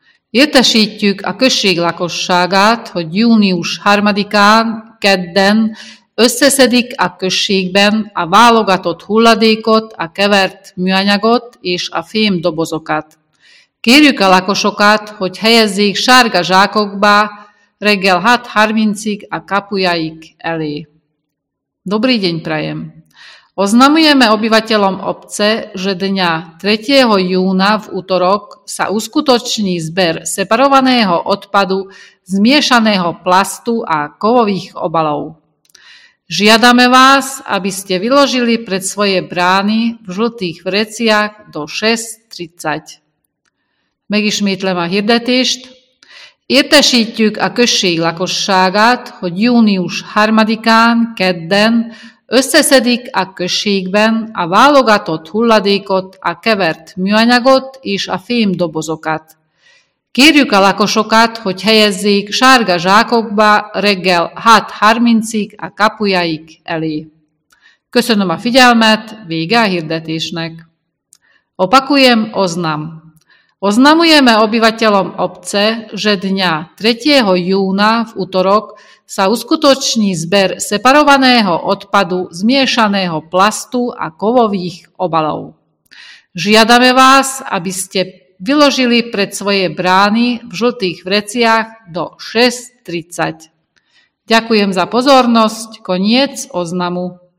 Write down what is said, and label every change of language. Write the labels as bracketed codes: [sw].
[hu] Értesítjük a község lakosságát, hogy június 3-án, kedden összeszedik a községben a válogatott hulladékot, a kevert műanyagot és a fém dobozokat. Kérjük a lakosokat, hogy helyezzék sárga zsákokba reggel 6:30-ig a kapujaik elé. [sk] Dobrý deň prajem! Oznamujeme obyvateľom obce, že dňa 3. júna v útorok sa uskutoční zber separovaného odpadu zmiešaného plastu a kovových obalov. Žiadame vás, aby ste vyložili pred svoje brány v žltých vreciach do 6:30. [hu] Megismétlem a hirdetést. Értesítjük a község lakosságát, hogy június 3-án, kedden, összeszedik a községben a válogatott hulladékot, a kevert műanyagot és a fémdobozokat. Kérjük a lakosokat, hogy helyezzék sárga zsákokba reggel 6:30-ig a kapujaik elé. Köszönöm a figyelmet, vége a hirdetésnek. [sk] Opakujem oznam. Oznamujeme obyvateľom obce, že dňa 3. júna v útorok sa uskutoční zber separovaného odpadu zmiešaného plastu a kovových obalov. Žiadame vás, aby ste vyložili pred svoje brány v žltých vreciach do 6:30. Ďakujem za pozornosť. Koniec oznamu.